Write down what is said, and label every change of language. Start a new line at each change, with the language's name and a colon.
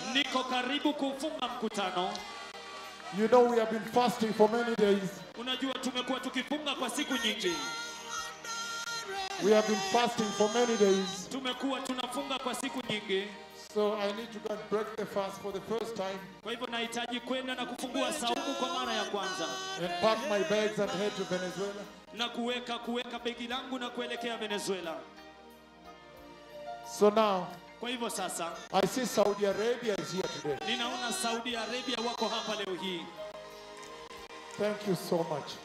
Swahili: Niko karibu kufunga mkutano.
English: You know we have been fasting for many days.
Swahili: Unajua tumekuwa tukifunga kwa siku nyingi.
English: We have been fasting for many days.
Swahili: Tumekuwa tunafunga kwa siku nyingi.
English: So I need to go and break the fast for the first time.
Swahili: Kwa hivyo nahitaji kwenda na kufungua saumu kwa mara ya kwanza.
English: And pack my bags and head to Venezuela.
Swahili: Na kuweka begi langu na kuelekea Venezuela.
English: So now
Swahili: kwa hivyo sasa,
English: I see Saudi Arabia is here today.
Swahili: Ninaona Saudi Arabia wako hapa leo hii.
English: Thank you so much.